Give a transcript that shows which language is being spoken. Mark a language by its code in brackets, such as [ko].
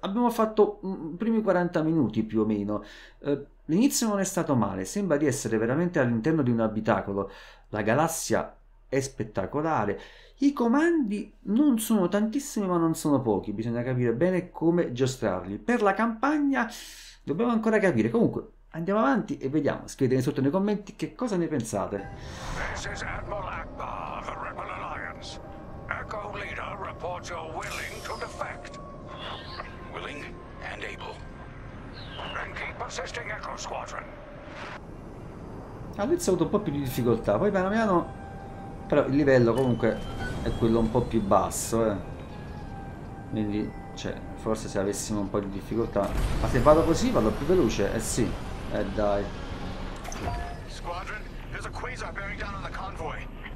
[it] Abbiamo fatto i primi 40 minuti più o meno. L'inizio non è stato male, sembra di essere veramente all'interno di un abitacolo. La galassia è spettacolare, i comandi non sono tantissimi ma non sono pochi, bisogna capire bene come giostrarli. Per la campagna dobbiamo ancora capire, comunque andiamo avanti e vediamo. Scrivetemi sotto nei commenti che cosa ne pensate. [en] This is Admiral Akbar of the Rebel Alliance. Echo Leader reports you're willing to defect. Willing and able. Then keep assisting Echo Squadron. [it] All'inizio ho avuto un po' più di difficoltà, poi piano piano. Però il livello comunque è quello un po' più basso, eh. Quindi, cioè, forse se avessimo un po' di difficoltà. Ma se vado così vado più veloce, eh sì, dai. [en] Squadron? There's a quasar bearing down on the convoy.